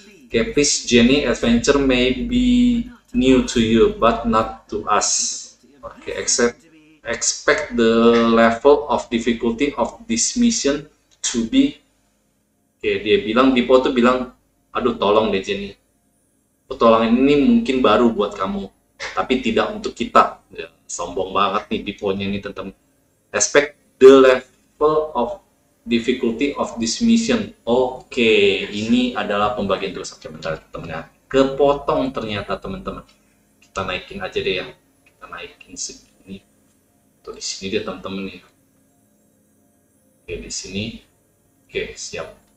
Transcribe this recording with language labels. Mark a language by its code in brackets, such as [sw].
[en] Okay, please Jenny, adventure may be new to you, but not to us. Okay, expect the level of difficulty of this mission to be. [id] Okay, dia bilang, Bipo tuh bilang, aduh tolong deh Jenny. Pertolongan ini mungkin baru buat kamu, tapi tidak untuk kita. Ya, sombong banget nih Biponya ini tentang. [en] Expect the level of difficulty of this mission. [id] Okay, ini adalah pembagian tugas sebentar temennya. Kepotong ternyata teman-teman. Kita naikin aja deh ya. Kita naikin segini. Tuh di sini dia teman-teman ya. Oke, di sini. Oke, siap.